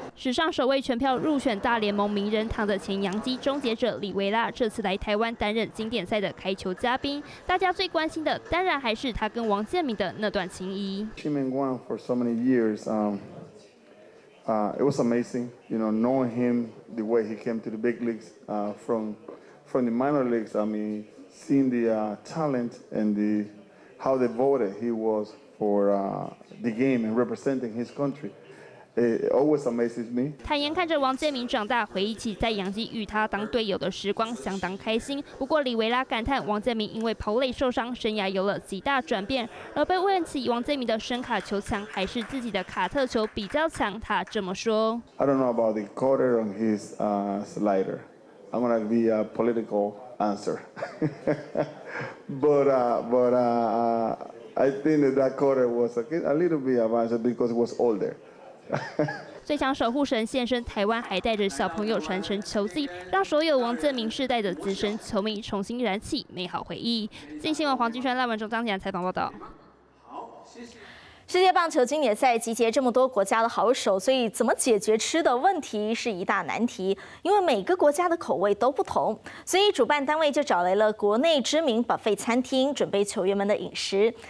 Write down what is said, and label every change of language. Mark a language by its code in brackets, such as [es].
[zh] 史上首位全票入选大联盟名人堂的前洋基终结者李维拉，这次来台湾担任经典赛的开球嘉宾。大家最关心的，当然还是他跟王建民的那段情谊。 [en] It was amazing, you know, knowing him the way he came to the big leagues, from the minor leagues. I mean, seeing the talent and the how devoted he was for the game and representing his country. It always amazes me. [zh] 坦言看着王建民长大，回忆起在洋基与他当队友的时光，相当开心。不过李维拉感叹，王建民因为跑垒受伤，生涯有了极大转变。而被问起王建民的声卡球强还是自己的卡特球比较强，他这么说 [en] ：“I don't know about the cutter on his slider. I'm gonna be a political answer. but I think that cutter was a little bit advanced because it was older.” [zh] 最强守护神现身台湾，还带着小朋友传承球技，让所有王建民世代的资深球迷重新燃起美好回忆。近新闻黄金圈赖文忠、张吉安采访报道。世界棒球经典赛集结这么多国家的好手，所以怎么解决吃的问题是一大难题，因为每个国家的口味都不同，所以主办单位就找来了国内知名 buffet 餐厅准备球员们的饮食。